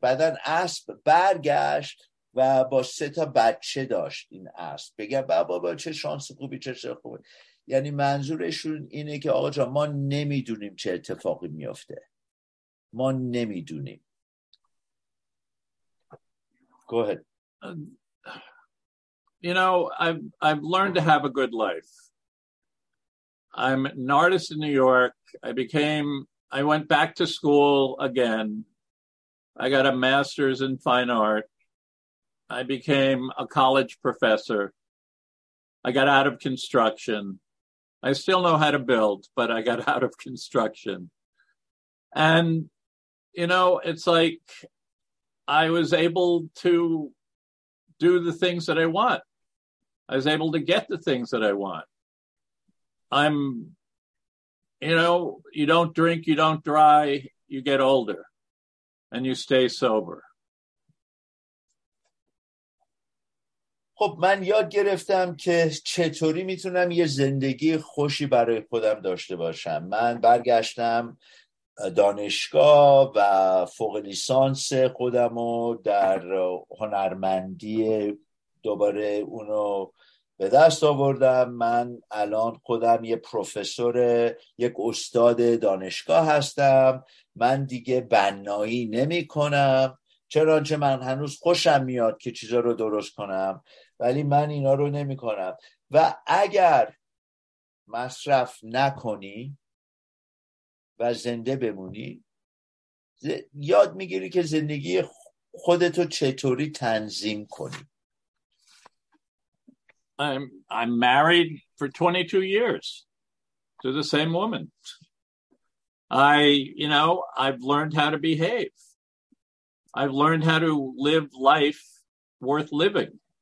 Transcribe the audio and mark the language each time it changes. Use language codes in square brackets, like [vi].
[fa] بعدن اسب برگشت و با سه تا بچه داشت این اسب، بگن بابا چه شانس خوبی چه شانس خوبی. یعنی منظورشون اینه که آقا جان ما نمیدونیم چه اتفاقی میفته، ما نمیدونیم. [en] Go ahead. You know, I've learned to have a good life. I'm an artist in New York. I went back to school again. I got a master's in fine art. I became a college professor. I got out of construction. I still know how to build, but I got out of construction. And, you know, it's like I was able to do the things that I want. I was able to get the things that I want. I'm, you know, you don't drink, you don't dry, you get older and you stay sober. [fa] خب من یاد گرفتم که چطوری میتونم یه زندگی خوشی برای خودم داشته باشم. من برگشتم دانشگاه و فوق لیسانس خودم رو در هنرمندی دوباره اونو به دست آوردم. من الان خودم یه پروفسور، یک استاد دانشگاه هستم. من دیگه بنایی نمی کنم، چنانچه من هنوز خوشم میاد که چیزا رو درست کنم، ولی من اینا رو نمی کنم. و اگر مصرف نکنی و زنده بمونی، یاد میگیری که زندگی خودتو چطوری تنظیم کنی. [en] I'm married for 22 years to the same woman. I've learned how to behave. I've learned how to live life worth living.